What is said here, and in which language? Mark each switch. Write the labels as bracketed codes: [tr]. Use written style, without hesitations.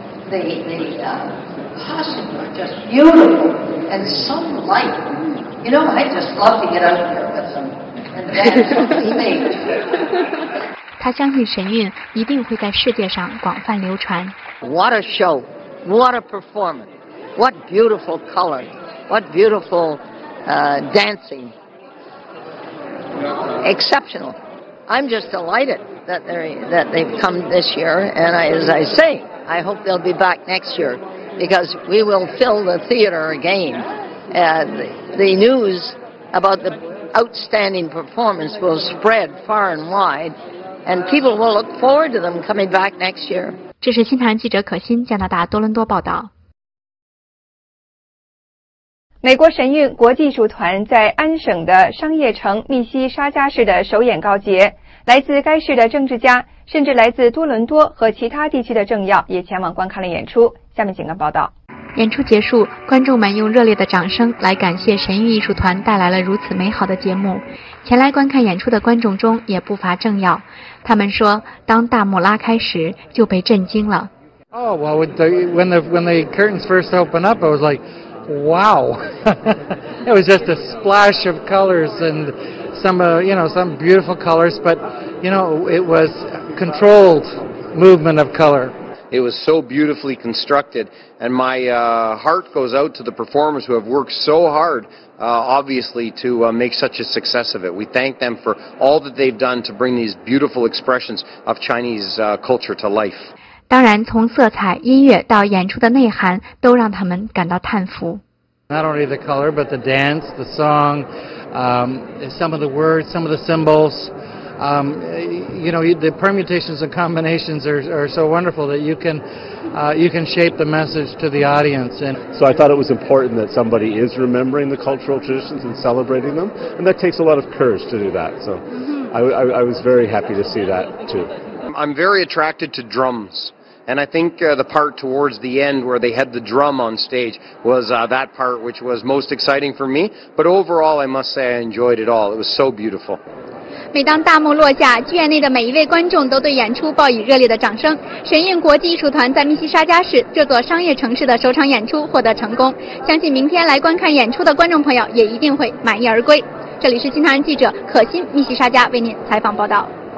[en] The costumes were just beautiful, and so light. You know, I just love to get out there with them and dance with the stage. [zh] 他相信神韵一定会在世界上广泛流传。 [en] What a show! What a performance! What beautiful color! What beautiful dancing! Exceptional! I'm just delighted that they've come this year, and as I say, I hope they'll be back next year, because we will fill the theater again. And the news about the outstanding performance will spread far and wide, and people will look forward to them coming back next year. [zh] 这是新唐人记者可欣，加拿大多伦多报道。美国神韵国际艺术团在安省的商业城密西沙加市的首演告捷，来自该市的政治家，甚至来自多伦多和其他地区的政要也前往观看了演出。下面请看报道。演出结束，观众们用热烈的掌声来感谢神韵艺术团带来了如此美好的节目。前来观看演出的观众中也不乏政要，他们说当大幕拉开时就被震惊了。 [en] Oh, well, when the curtains first opened up, I was like, wow. It was just a splash of colors and some beautiful colors, but you know, it was controlled movement of color. It was so beautifully constructed, and my heart goes out to the performers who have worked so hard, obviously, to make such a success of it. We thank them for all that they've done to bring these beautiful expressions of Chinese culture to life. [zh] 当然，从色彩、音乐到演出的内涵，都让他们感到叹服。 [en] Not only the color, but the dance, the song, some of the words, some of the symbols. The permutations and combinations are so wonderful that you can shape the message to the audience. And so I thought it was important that somebody is remembering the cultural traditions and celebrating them, and that takes a lot of courage to do that. So I was very happy to see that too. I'm very attracted to drums, And I think the part towards the end where they had the drum on stage was that part which was most exciting for me. But overall, I must say I enjoyed it all. It was so beautiful. [zh] 每当大幕落下，剧院内的每一位观众都对演出报以热烈的掌声。神韵国际艺术团在密西沙加市这座商业城市的首场演出获得成功，相信明天来观看演出的观众朋友也一定会满意而归。这里是新唐人记者可心，密西沙加为您采访报道。